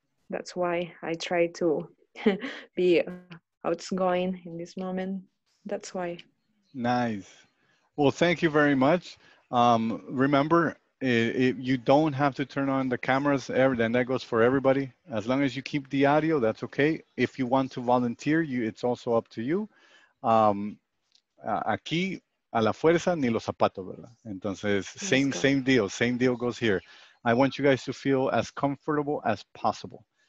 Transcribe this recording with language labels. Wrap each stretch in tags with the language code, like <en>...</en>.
<en>That's why I try to be outgoing in this moment. That's why. Nice. Well, thank you very much. Remember, you don't have to turn on the cameras, and that goes for everybody. As long as you keep the audio, that's okay. If you want to volunteer, it's also up to you.</en> <es>Aquí, a la fuerza, ni los zapatos, ¿verdad?</es> <en>Entonces, same deal. Same deal goes here. I want you guys to feel as comfortable as possible.</en>